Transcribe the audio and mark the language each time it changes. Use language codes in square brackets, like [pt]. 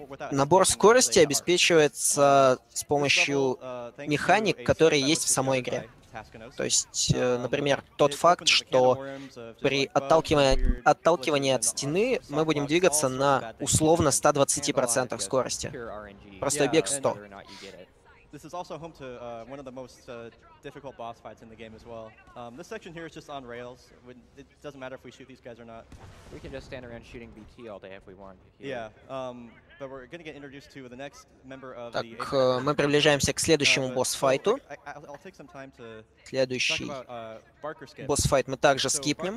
[ru] Набор скорости обеспечивается с помощью механик, которые есть в самой игре. То есть, например, тот факт, что при отталкивании от стены мы будем двигаться на условно 120% скорости. Простой бег 100. [en] This is also home to one of the most difficult boss fights in the game as well. This section here is just on rails. It doesn't matter if we shoot these guys or not. We can just stand around shooting BT all day if we want. Here. Yeah. But we're going to get introduced to the next member of [ru] так, [en] the. [ru] Так, мы приближаемся к следующему босс-файту. [en] I'll take some time to [ru] следующий. [en] Talk about, skip. [ru] Босс-файт мы также скипнем.